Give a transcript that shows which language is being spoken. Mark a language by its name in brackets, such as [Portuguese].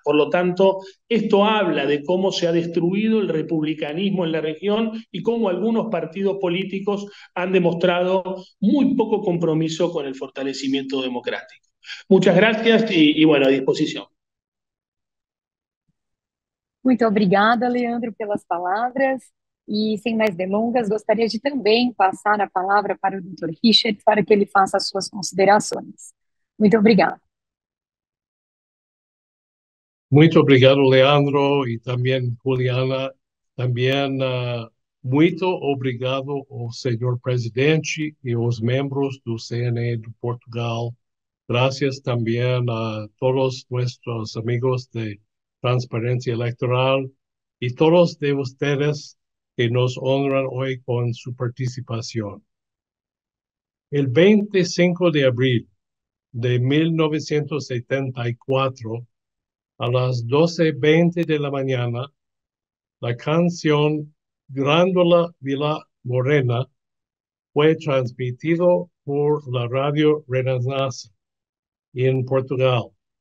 [Spanish] Por lo tanto, esto habla de cómo se ha destruido el republicanismo en la región y cómo algunos partidos políticos han demostrado muy poco compromiso con el fortalecimiento democrático. Muchas gracias y bueno, a disposición. [Portuguese] Muito obrigada, Leandro, pelas palavras. E, sem mais delongas, gostaria de também passar a palavra para o Dr. Richard para que ele faça as suas considerações. Muito obrigada. Muito obrigado, Leandro, e também, Juliana. Também, muito obrigado ao senhor presidente e aos membros do CNE de Portugal. Gracias também a todos nossos amigos de Transparência Eleitoral e todos de vocês [Spanish] que nos honran hoy con su participación. El 25 de abril de 1974, a las 12:20 de la mañana, la canción Grândola Vila Morena fue transmitido por la radio Renascença en Portugal.